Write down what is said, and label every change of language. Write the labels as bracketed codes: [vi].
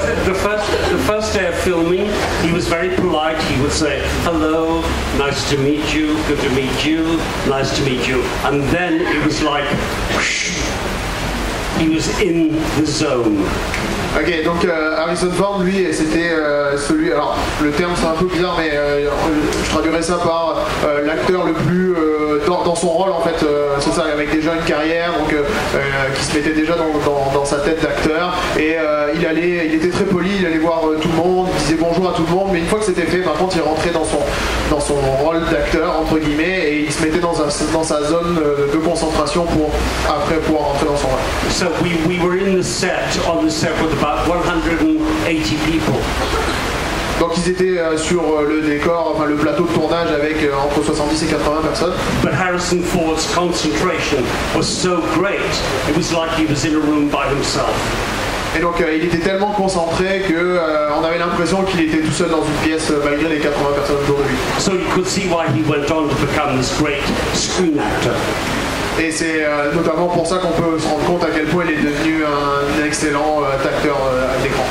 [en] The first day of filming, he was very polite. He would say, hello, nice to meet you, good to meet you, nice to meet you. And then it was like, whoosh, he was in the zone. [fr] Ok, donc Harrison Ford, lui, c'était celui, alors le terme c'est un peu bizarre, mais je traduirais ça par l'acteur le plus dans son rôle en fait, c'est ça, avec déjà une carrière, donc qui se mettait déjà dans sa tête d'acteur, et il était très poli, il allait voir tout le monde, il disait bonjour à tout le monde, mais une fois que c'était fait, par contre il rentrait dans son rôle d'acteur, entre guillemets, et il se mettait dans sa zone de concentration pour après pouvoir rentrer dans son rôle. [en] So we were in the set, on the set with about 180 people. [fr] Donc ils étaient sur le décor, enfin le plateau de tournage avec entre 70 et 80 personnes. [en] But Harrison Ford's concentration was so great, it was like he was in a room by himself. [fr] Et donc il était tellement concentré qu'on avait l'impression qu'il était tout seul dans une pièce malgré les 80 personnes autour de lui. [en] So you could see why he went on to become this great screen actor. [fr] Et c'est notamment pour ça qu'on peut se rendre compte à quel point il est devenu un excellent acteur à l'écran.